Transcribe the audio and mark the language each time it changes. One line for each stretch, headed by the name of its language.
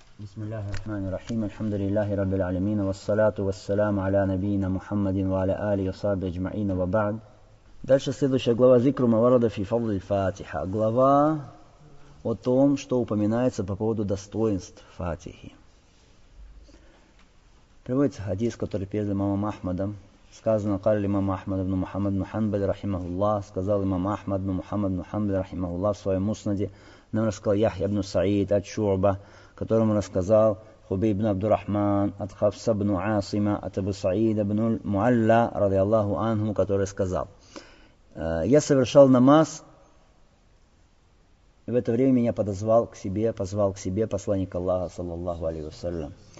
Arabic: بسم الله الرحمن الرحيم، الحمد لله رب العالمين، والصلاة والسلام على نبينا محمد وعلى آله وصحبه أجمعين، وبعد.
Russian: Дальше следующая глава,
Arabic: ذكر ما ورد في فضل الفاتحة.
Russian: Глава о том, что упоминается по поводу достоинств Фатихи. Приводится хадис, который передал имамом Ахмадом.
Arabic: Сказано, قال الإمام أحمد بن محمد بن حنبل رحمه الله.
Russian: Сказал имам Ахмад
Arabic: بن محمد بن حنبل رحمه الله
Russian: в своем муснаде. Нам рассказал Яхья ибн Саид от Шуба, которому рассказал Хубейб ибн Абдурахман, от Хафса ибн Асима, от Абу Саида ибн Муалла, ради Аллаху Анху, который сказал: «Я совершал намаз, и в это время меня позвал к себе посланник Аллаха, саллаллаху алейхи вассалям.